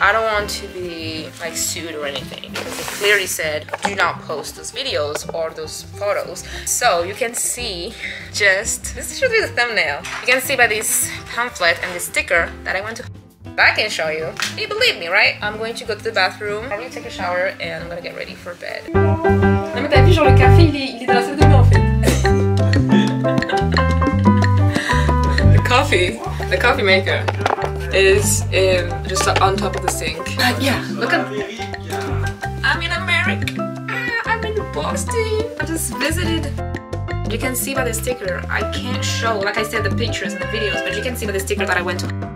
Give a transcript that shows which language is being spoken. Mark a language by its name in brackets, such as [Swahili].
[English] I don't want to be like sued or anything, because they clearly said do not post those videos or those photos. So you can see, just this should be the thumbnail. You can see by this pamphlet and this sticker that I went to. I can show you. You believe me, right? I'm going to go to the bathroom. I'm going to take a shower and I'm going to get ready for bed. [French] Non mais t'as vu, genre le café il est dans la salle de bain en fait. [English] The coffee maker is in just on top of the sink. Yeah, look at. I'm in America. I'm in Boston. I just visited. You can see by the sticker. I can't show, like I said, the pictures and the videos, but you can see by the sticker that I went to.